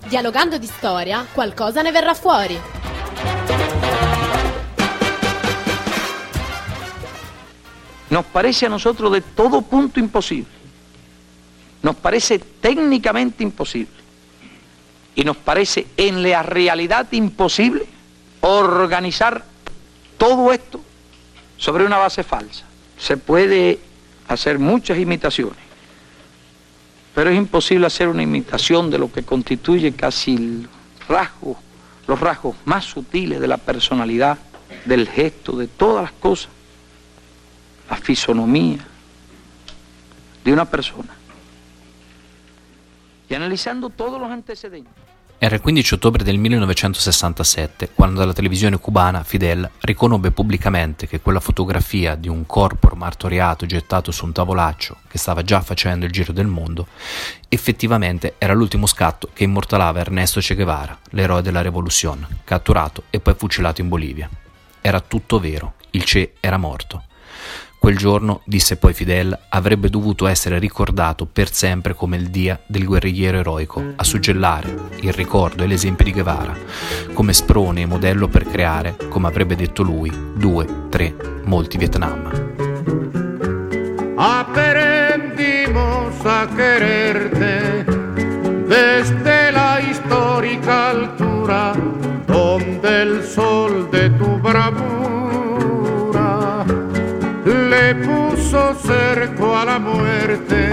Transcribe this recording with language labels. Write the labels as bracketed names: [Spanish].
[Italian] Dialogando di storia, qualcosa ne verrà fuori. [Spanish] Nos parece a nosotros de todo punto imposible. Nos parece técnicamente imposible. Y nos parece en la realidad imposible organizar todo esto sobre una base falsa. Se puede hacer muchas imitaciones, pero es imposible hacer una imitación de lo que constituye casi los rasgos más sutiles de la personalidad, del gesto, de todas las cosas. La fisonomía de una persona. [Italian] E analizzando tutti gli antecedenti. Era il 15 ottobre del 1967 quando dalla televisione cubana Fidel riconobbe pubblicamente che quella fotografia di un corpo martoriato gettato su un tavolaccio che stava già facendo il giro del mondo effettivamente era l'ultimo scatto che immortalava Ernesto Che Guevara, l'eroe della rivoluzione, catturato e poi fucilato in Bolivia. Era tutto vero, il Che era morto. Quel giorno, disse poi Fidel, avrebbe dovuto essere ricordato per sempre come il dia del guerrigliero eroico, a suggellare il ricordo e l'esempio di Guevara, come sprone e modello per creare, come avrebbe detto lui, due, tre, molti Vietnam. [Spanish] Aprendimos a quererte desde la histórica altura donde el sol de tu bravura puso cerco a la muerte.